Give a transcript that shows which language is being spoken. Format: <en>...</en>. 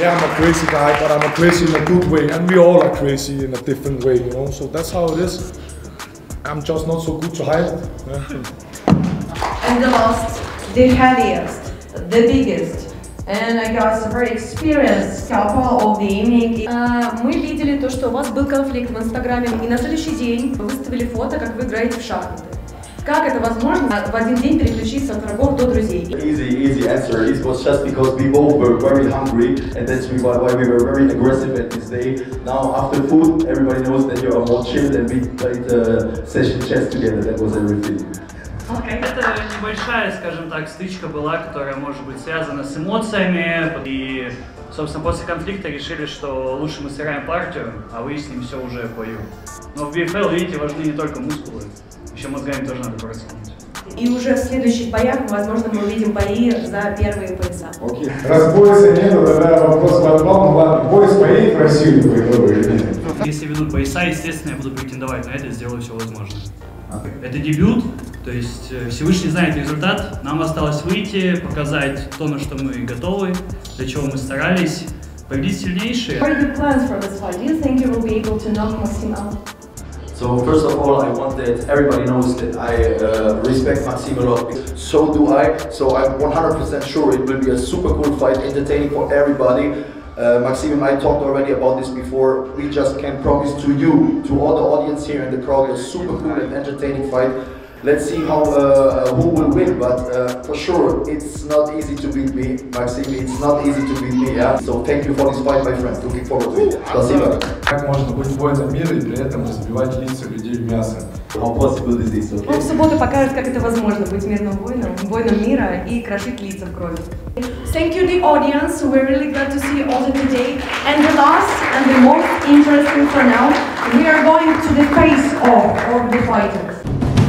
<en>Yeah, I'm a crazy guy, but I'm a crazy in a good way. And we all are crazy in a different way, you know. So that's how it is. I'm just not so good to hide. And the last, the heaviest, the biggest. And I got a very experienced couple of the evening.</en> <ru>Мы видели то, что у вас был конфликт в Инстаграме, и на следующий день вы выставили фото, как вы играете в шахматы. Как это возможно в один день переключиться от врагов до друзей?</ru> <en>Easy answer. It was just because we both were very hungry, and that's why we were very aggressive at this day. Now after food, everybody knows that you are more chilled, and we played session chess together. That was everything.</en> <ru>Это небольшая, скажем так, стычка была, которая может быть связана с эмоциями. И, собственно, после конфликта решили, что лучше мы сыграем партию, а выясним все уже в бою. Но в BFL, видите, важны не только мускулы, еще мозгами тоже надо проскинуть. И уже в следующих боях, возможно, мы увидим бои за первые пояса. Окей. Раз пояса нет, тогда вопрос по отбалу. Пояс поедет в Россию, вы выиграете? Если ведут пояса, естественно, я буду претендовать на это, сделаю все возможное. Это дебют, то есть Всевышний знает результат. Нам осталось выйти, показать то, на что мы готовы, для чего мы старались. Победить сильнейшие.</ru> <en>What are your plans for this fight? Do you think you will be able to knock Maxim out? So first of all, I want that everybody knows that I respect Maxim a lot. So do I. So I'm 100% sure it will be a super cool fight, entertaining for everybody. Maxim and I talked already about this before. We just can promise to you, to all the audience here in the crowd, a super cool and entertaining fight. Let's see how who will win, but for sure it's not easy to beat me, Maxime. It's not easy to beat me. Yeah. So thank you for this fight, my friend. Looking forward to it.</en> <ru>Спасибо. Как можно быть воином мира и при этом разбивать лица людей в мясо?</ru> <en>How possible is this? Okay.</en> <ru>В субботу покажет, как это возможно быть мирным воином, воином мира и крошить лица в крови.</ru> <en>Thank you, the audience. We're really glad to see you all today. And the last and the most interesting for now, we are going to the face of the fighters.</en>